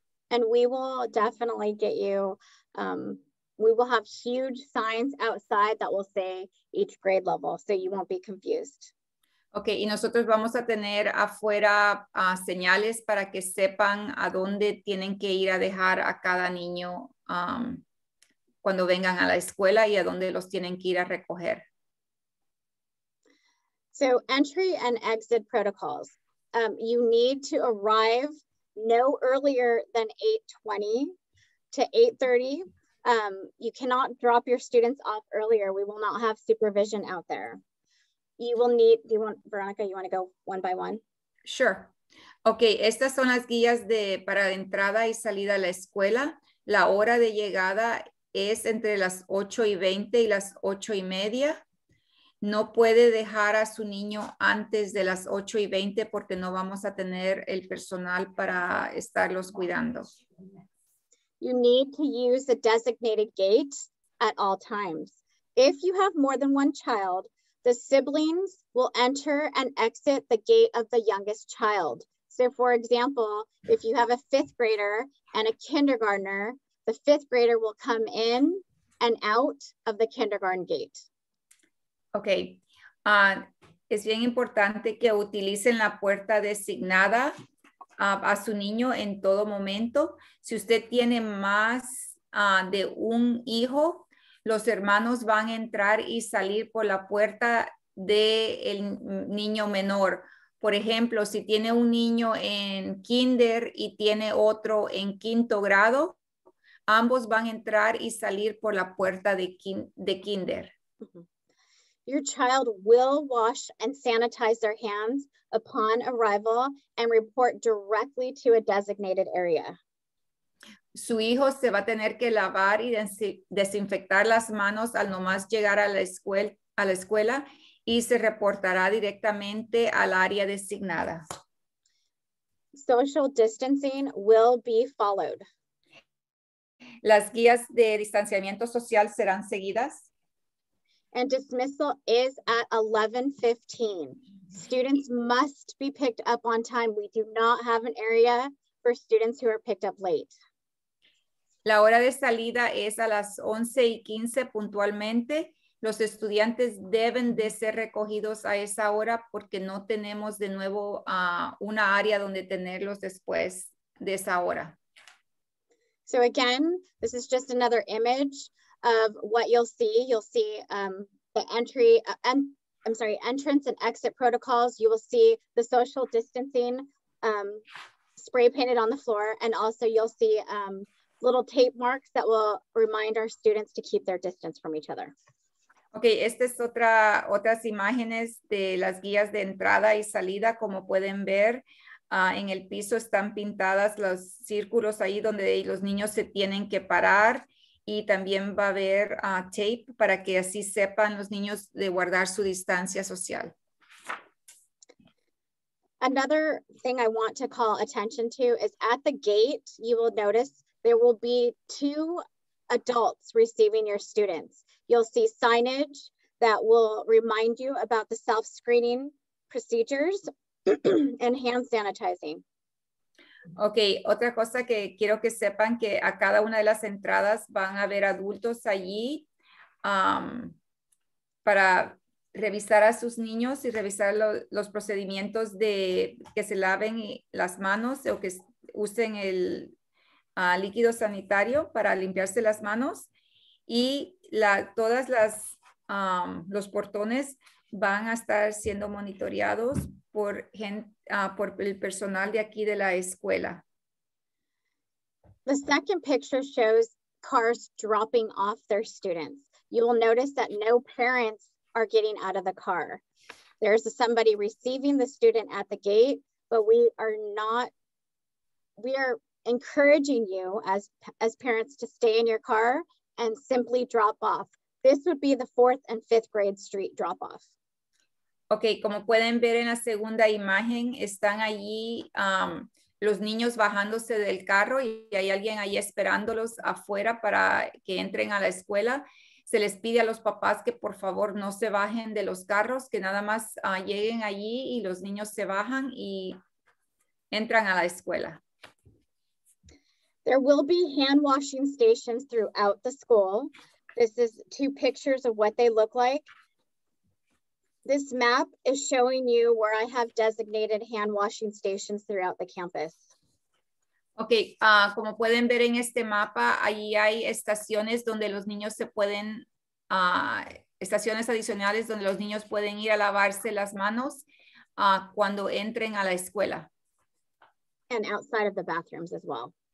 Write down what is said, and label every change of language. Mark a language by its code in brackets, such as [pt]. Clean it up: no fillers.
[en] And we will definitely get you, we will have huge signs outside that will say each grade level, so you won't be confused. [es] Okay, y nosotros vamos a tener afuera señales para que sepan a dónde tienen que ir a dejar a cada niño cuando vengan a la escuela y a dónde los tienen que ir a recoger. [en] So entry and exit protocols. You need to arrive no earlier than 8:20 to 8:30. You cannot drop your students off earlier. We will not have supervision out there. You will need, do you want, Veronica, you want to go one by one? Sure. [es] Okay, estas son las guías de para entrada y salida a la escuela. La hora de llegada es entre las 8:20 y las 8:30. No puede dejar a su niño antes de las 8:20 porque no vamos a tener el personal para estarlos cuidando. [en] You need to use the designated gate at all times. If you have more than one child, the siblings will enter and exit the gate of the youngest child. So for example, if you have a 5th grader and a kindergartner, the 5th grader will come in and out of the kindergarten gate. [es] Okay, es bien importante que utilicen la puerta designada a su niño en todo momento. Si usted tiene más de un hijo, los hermanos van a entrar y salir por la puerta del niño menor. Por ejemplo, si tiene un niño en kinder y tiene otro en quinto grado, ambos van a entrar y salir por la puerta de kinder. [en] Your child will wash and sanitize their hands upon arrival and report directly to a designated area. [es] Su hijo se va a tener que lavar y desinfectar las manos al nomás llegar a la escuela y se reportará directamente al área designada. [en] Social distancing will be followed. [es] Las guías de distanciamiento social serán seguidas. [en] And dismissal is at 11:15. Students must be picked up on time. We do not have an area for students who are picked up late. [es] La hora de salida es a las 11:15 puntualmente. Los estudiantes deben de ser recogidos a esa hora porque no tenemos de nuevo una área donde tenerlos después de esa hora. [en] So again, this is just another image of what you'll see. You'll see entrance and exit protocols. You will see the social distancing spray painted on the floor. And also you'll see little tape marks that will remind our students to keep their distance from each other. [es] Okay, esta es otras imágenes de las guías de entrada y salida. Como pueden ver, en el piso están pintadas los círculos ahí donde los niños se tienen que parar. Y también va a haber tape para que así sepan los niños de guardar su distancia social. [en] Another thing I want to call attention to is at the gate, you will notice there will be two adults receiving your students. You'll see signage that will remind you about the self-screening procedures and hand sanitizing. [es] Ok, otra cosa que quiero que sepan que a cada una de las entradas van a haber adultos allí para revisar a sus niños y revisar los procedimientos de que se laven las manos o que usen el líquido sanitario para limpiarse las manos. Y todas las los portones van a estar siendo monitoreados por gente. Por el personal de aquí de la escuela. [en] The second picture shows cars dropping off their students. You will notice that no parents are getting out of the car. There's somebody receiving the student at the gate, but we are encouraging you as parents to stay in your car and simply drop off. This would be the fourth and fifth grade street drop off. [es] Ok, como pueden ver en la segunda imagen, están allí los niños bajándose del carro y hay alguien ahí esperándolos afuera para que entren a la escuela. Se les pide a los papás que por favor no se bajen de los carros, que nada más lleguen allí y los niños se bajan y entran a la escuela. [en] There will be hand washing stations throughout the school. This is two pictures of what they look like. This map is showing you where I have designated hand washing stations throughout the campus. [es] Okay, como pueden ver en este mapa, ahí hay estaciones donde los niños se pueden, estaciones adicionales donde los niños pueden ir a lavarse las manos cuando entren a la escuela. [en] And outside of the bathrooms as well.